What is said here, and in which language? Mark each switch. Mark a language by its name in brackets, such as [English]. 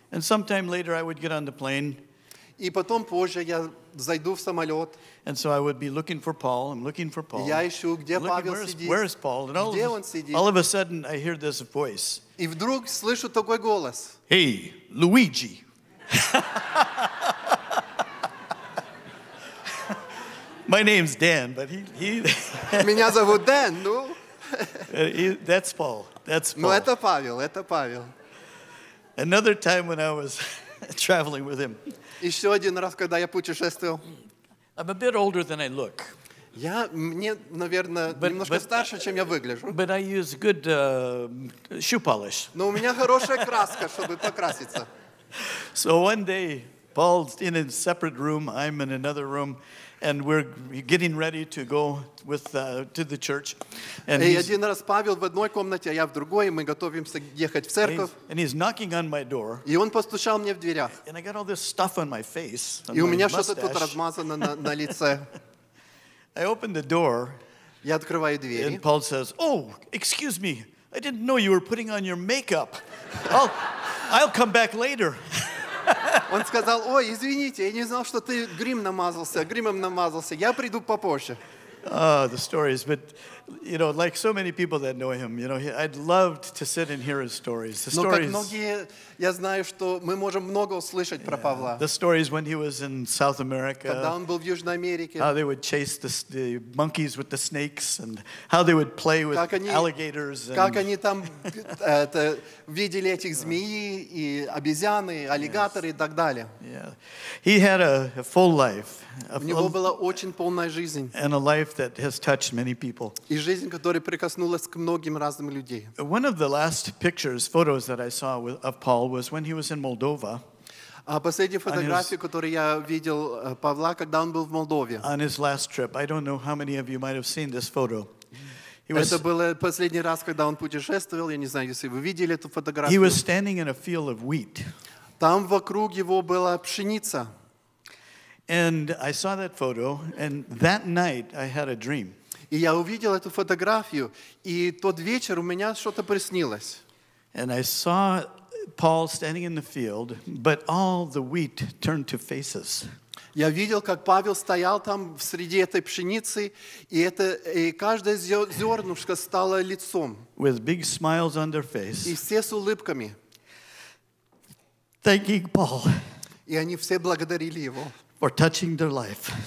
[English] And sometime later, I would get on the plane. [Russian] И потом позже я зайду в самолет. [English] And so I would be looking for Paul. I'm looking for Paul. [Russian] Я ищу, где Павел сидит. [English] Where is Paul? And all of a sudden, I hear this voice. [Russian] И вдруг слышу такой голос. [English] Hey, Luigi. My name's Dan, but he. [Russian] Меня зовут Дэн, ну. [English] That's Paul. That's Paul. [Russian] Ну, это Павел, это Павел. [English] Another time when I was traveling with him. [Russian] Еще один раз, когда я путешествовал. [English] I'm a bit older than I look. [Russian] Я мне, наверное, немножко старше, чем я выгляжу. [English] But I use good shoe polish. [Russian] Но у меня хорошая краска, чтобы покраситься. [English] So one day, Paul's in a separate room, I'm in another room, and we're getting ready to go with to the church. And [Russian] и один раз Павел в одной комнате, а я в другой, и мы готовимся ехать в церковь. [English] And he's knocking on my door. [Russian] И он постучал мне в дверях. [English] And I got all this stuff on my face. [Russian] И у меня что-то тут размазано на лице. [English] I opened the door. [Russian] Я открываю двери. [English] And Paul says, "Oh, excuse me, I didn't know you were putting on your makeup. I'll come back later." [Russian] Он сказал, ой, извините, я не знал, что ты гримом намазался. Я приду попозже. [English] Oh, the stories, but, you know, like so many people that know him, you know, I'd love to sit and hear his stories. The stories. [Russian] Но как многие, я знаю, что мы можем много услышать yeah. про Павла. [English] The stories when he was in South America. [Russian] Когда он был в Южной Америке. [English] How they would chase the monkeys with the snakes and how they would play with alligators. [Russian] Как они там видели этих змеи и обезьяны, аллигаторы и так далее. [English] Yeah, he had a full life. [Russian] У него была очень полная жизнь. [English] And a life that has touched many people. [Russian] И жизнь, которая прикоснулась к многим разным людей. [English] One of the last pictures, photos that I saw of Paul was when he was in Moldova. [Russian] А последняя фотография, которую я видел Павла, когда он был в Молдове. [English] On his last trip, I don't know how many of you might have seen this photo. [Russian] Это был последний раз, когда он путешествовал. Я не знаю, если вы видели эту фотографию. [English] He was standing in a field of wheat. [Russian] Там вокруг его была пшеница. [English] And I saw that photo, and that night I had a dream. [Russian] И я увидел эту фотографию, и тот вечер у меня что-то приснилось. [English] And I saw Paul standing in the field, but all the wheat turned to faces. [Russian] Я видел, как Павел стоял там среди этой пшеницы, и это и каждое зернышко стало лицом. [English] With big smiles on their face. [Russian] И все с улыбками. [English] Thanking Paul. [Russian] И они все благодарили его. [English] For touching their life.